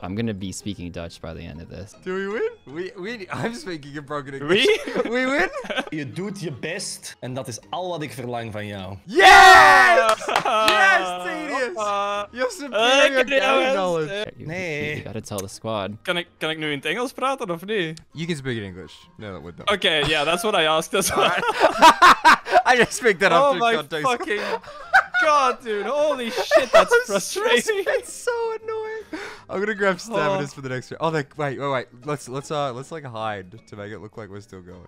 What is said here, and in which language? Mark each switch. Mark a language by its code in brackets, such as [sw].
[en] I'm going to be speaking Dutch by the end of this. Do we win? We I'm speaking in broken English. We? We win? You do your best, and that is all what I [nl] verlang van jou. [en] Yes! Yes, tedious! You're superior game knowledge. [nl] Nee. [en] You gotta tell the squad. Can I [nl] nu in het Engels praten of niet? [en] You can speak in English. No, that would not. Okay, yeah, that's what I asked as well. I just picked that up through context. Oh my fucking... God, dude, holy shit, that's frustrating. It's so annoying. I'm gonna grab stamina for the next round. Oh, wait. Let's like hide to make it look like we're still going.